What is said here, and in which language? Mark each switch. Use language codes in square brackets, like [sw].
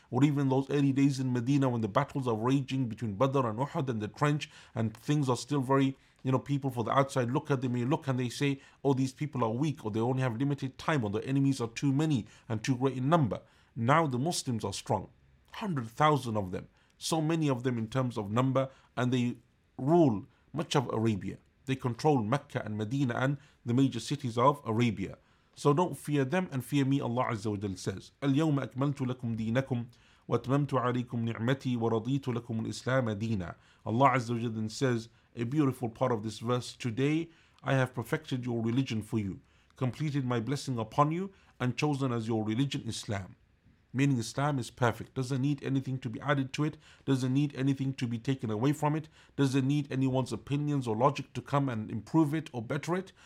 [en] Or even those early days in Medina when the battles are raging between Badr and Uhud and the trench, and things are still very, you know, people for the outside look at them, they look and they say, oh, these people are weak, or they only have limited time, or the enemies are too many and too great in number. Now the Muslims are strong, 100,000 of them, so many of them in terms of number, and they rule much of Arabia. They control Mecca and Medina and the major cities of Arabia. So don't fear them and fear me, Allah Azza wa Jal says. [ar] اليوم أكملت لكم دينكم وأتممت عليكم نعمتي ورضيت لكم الإسلام دينا. [en] Allah Azza wa Jal then says, a beautiful part of this verse, today I have perfected your religion for you, completed my blessing upon you, and chosen as your religion Islam. Meaning Islam is perfect, doesn't need anything to be added to it, doesn't need anything to be taken away from it, doesn't need anyone's opinions or logic to come and improve it or better it.